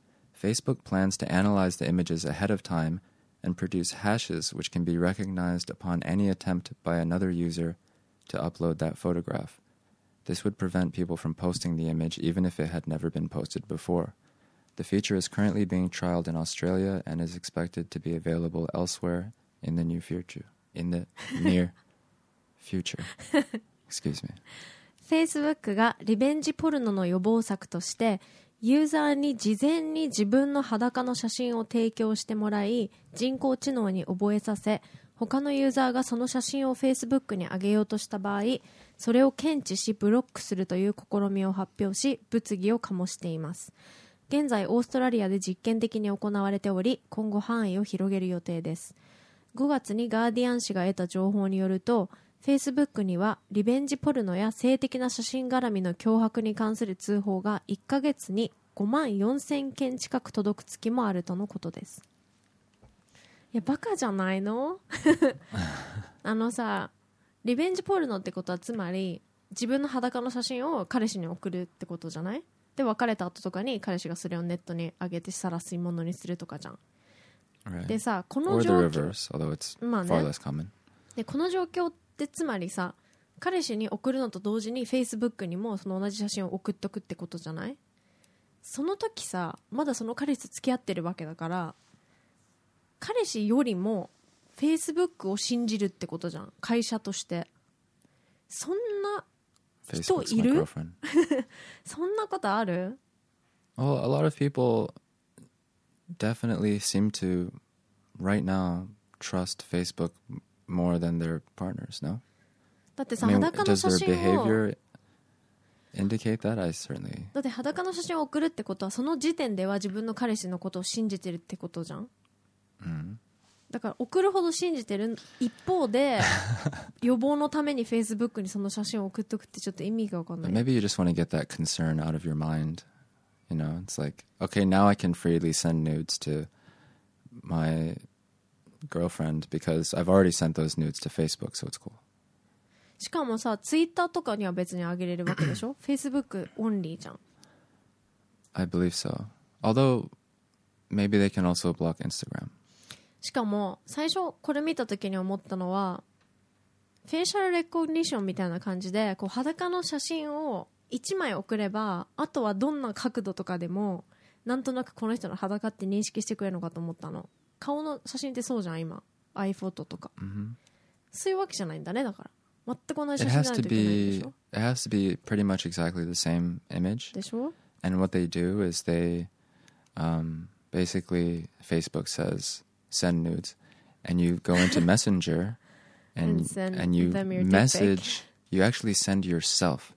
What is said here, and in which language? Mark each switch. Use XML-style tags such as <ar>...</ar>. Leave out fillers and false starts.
<en>Facebook plans to analyze the images ahead of time,and produce hashes which can be recognized upon any attempt by another user to upload that photograph. This would prevent people from posting the image even if it had never been posted before. The feature is currently being trialed in Australia and is expected to be available elsewhere in the near future. Excuse me.</en> <ja>Facebook がリベンジポルノの予防策としてユーザーに事前に自分の裸の写真を提供してもらい、人工知能に覚えさせ、他のユーザーがその写真を Facebook に上げようとした場合、それを検知しブロックするという試みを発表し、物議を醸しています。現在オーストラリアで実験的に行われており、今後範囲を広げる予定です。 5月にガーディアン紙が得た情報によると、Facebook にはリベンジポルノや性的な写真絡みの脅迫に関する通報が1ヶ月に5万4000件近く届く月もあるとのことです。いやバカじゃないのあのさ、リベンジポルノってことはつまり自分の裸の写真を彼氏に送るってことじゃない？で別れた後とかに彼氏がそれをネットに上げて晒すものにするとかじゃん、</ja> <en>right.</en> <ja>でさこの状況</ja> <en>Or the reverse, although it's far less common、</en> <ja>ね、でこの状況ってでつまりさ、彼氏に送るのと同時に Facebook にもその同じ写真を送っとくってことじゃない？その時さ、まだその彼氏と付き合ってるわけだから、彼氏よりも Facebook を信じるってことじゃん、会社として。そんな人いる？そんなことある？</ja> <en>Well, a lot of people definitely seem to right now trust Facebookmore than their partners, no?</en> <ja>だってさ、裸の写真を、</ja> <en>does their behavior indicate that? I certainly...</en> <ja>だって裸の写真を送るってことはその時点では自分の彼氏のことを信じてるってことじゃん、 mm-hmm. だから送るほど信じてる一方で予防のために Facebook にその写真を送っとくってちょっと意味が分かんない。</ja> <en>Maybe you just want to get that concern out of your mind. You know, it's like, okay, now I can freely send nudes to myGirlfriend, because I've already sent those nudes to Facebook, so it's cool.</en> <ja>しかもさ、Twitter とかには別にあげれるわけでしょ？Facebook only じゃん。</ja> <en>I believe so. Although, maybe they can also block Instagram.</en> <ja>しかも、最初これ見た時に思ったのは、フェイシャルレコグニションみたいな感じで、こう裸の写真を1枚送れば、あとはどんな角度とかでも、なんとなくこの人の裸って認識してくれるのかと思ったの。顔の写真ってそうじゃん今、iPhoto とか、 mm-hmm. そういうわけじゃないんだね。だから全く同じ写真じゃないといけないでしょ。</ja> <en>It has to be pretty much exactly the same image</en> <ja>でしょ。</ja> <en>And what they do is they basically Facebook says send nudes And you go into Messenger and you message, you actually send yourself.</en>